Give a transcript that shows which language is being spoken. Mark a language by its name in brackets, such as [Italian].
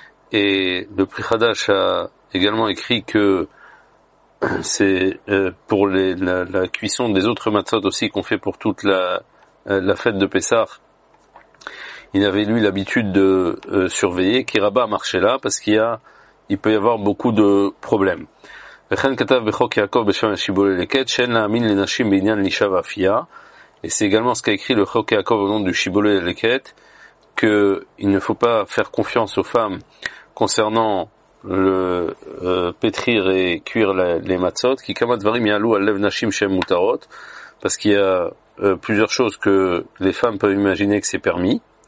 [French] Et le pri chadash a également écrit que c'est pour la cuisson des autres matzot aussi qu'on fait pour toute la fête de pesach. Il avait lui l'habitude de surveiller qui rabat marchait là parce qu'il y a il peut y avoir beaucoup de problèmes. [Hebrew] וכן כתב בחוק יעקב בשם השיבולי לקט, שאין להאמין לנשים בעניין לישה ואפייה. [French] Et c'est également ce qu'a écrit le חוק יעקב au nom du שיבולי לקט, que il ne faut pas faire confiance aux femmes concernant le pétrir et cuire les matzot, qui [Hebrew] כמה דברים יעלו על לב נשים שהן מותרות, [French] parce qu'il y a plusieurs choses que les femmes peuvent imaginer que c'est permis.